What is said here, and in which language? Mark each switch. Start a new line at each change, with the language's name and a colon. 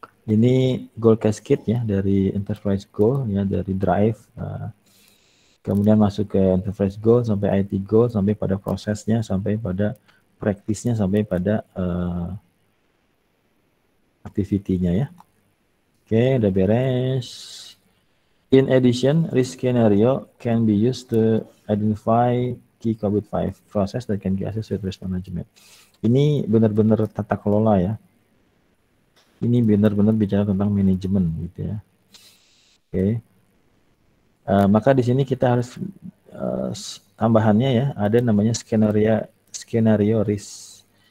Indonesian: Ini goal cascade ya dari enterprise goal ya dari drive kemudian masuk ke enterprise goal sampai IT goal sampai pada prosesnya sampai pada praktisnya sampai pada activity-nya ya. Oke, udah beres.
English: In addition, risk scenario can be used to identify key COVID-5 process that can be assessed with risk management.
Indonesian: Ini benar-benar tata kelola ya. Ini benar-benar bicara tentang manajemen gitu ya. Oke. Okay. Maka di sini kita harus tambahannya ya, ada namanya skenario risk.